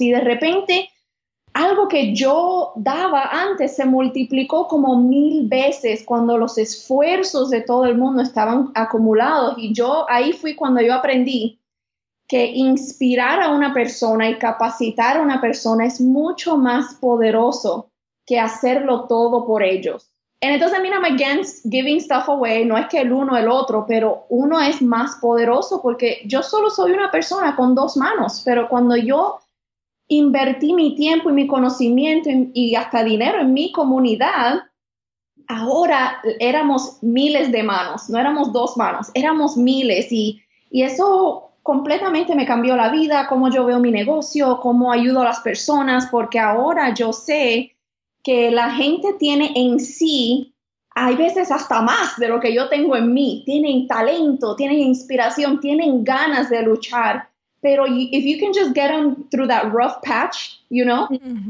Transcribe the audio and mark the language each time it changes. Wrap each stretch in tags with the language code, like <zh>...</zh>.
<es>Y de repente, algo que yo daba antes se multiplicó como 1,000 veces cuando los esfuerzos de todo el mundo estaban acumulados. Y yo ahí fui cuando yo aprendí que inspirar a una persona y capacitar a una persona es mucho más poderoso que hacerlo todo por ellos.</es> <en>And it doesn't mean I'm against giving stuff away.</en> <es>No es que el uno o el otro, pero uno es más poderoso porque yo solo soy una persona con 2 manos. Pero cuando yo invertí mi tiempo y mi conocimiento y hasta dinero en mi comunidad, ahora éramos miles de manos. No éramos 2 manos, éramos miles. Y eso completamente me cambió la vida, cómo yo veo mi negocio, cómo ayudo a las personas, porque ahora yo sé que la gente tiene en sí, hay veces hasta más de lo que yo tengo en mí. Tienen talento, tienen inspiración, tienen ganas de luchar.</es> <en>Pero if you can just get them through that rough patch, you know, mm-hmm.</en>